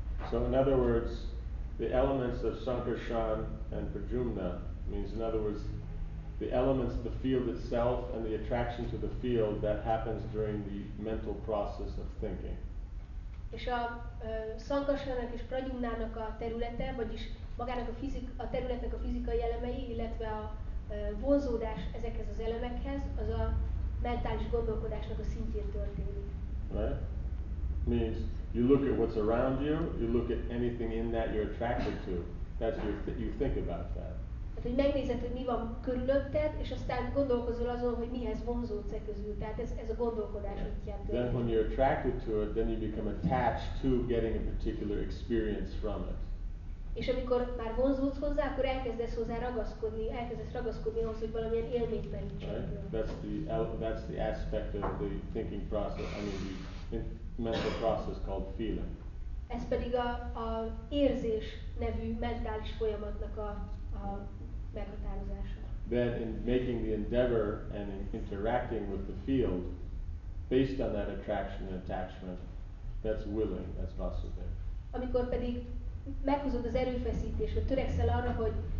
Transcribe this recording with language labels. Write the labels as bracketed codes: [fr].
[en] So in other words, the elements of Shankarshan and Prajumna means, in other words, the elements of the field itself and the attraction to the field that happens during the mental process of thinking. [hu] És a Shankarshanak és Prajumnának a területe, vagyis magának a területnek a fizikai elemei, illetve a vonzódás ezekhez az elemekhez, az a mentális gondolkodásnak a szintjén történik. [en] Right? Means you look at what's around you, you look at anything in that you're attracted to. That's your you think about that. [hu] Hát, hogy megnézed, hogy mi van körülötted, és aztán gondolkozol azon, hogy mihez vonzódsz e közül. Tehát ez a gondolkodás útján történik. [en] Then when you're attracted to it, then you become attached to getting a particular experience from it. [hu] És amikor már vonzódsz hozzá, akkor elkezdesz hozzá ragaszkodni, elkezdesz ragaszkodni ahhoz, hogy valamilyen élményt merítsd. [en] Right? That's the aspect of the thinking process, I mean the mental process called feeling. [hu] Ez pedig a érzés nevű mentális folyamatnak a meghatározása. [en] Then in making the endeavor and in interacting with the field, based on that attraction and attachment, that's willing, that's possible. [hu] Amikor pedig meghúzod az erőfeszítés, vagy törekszel arra, hogy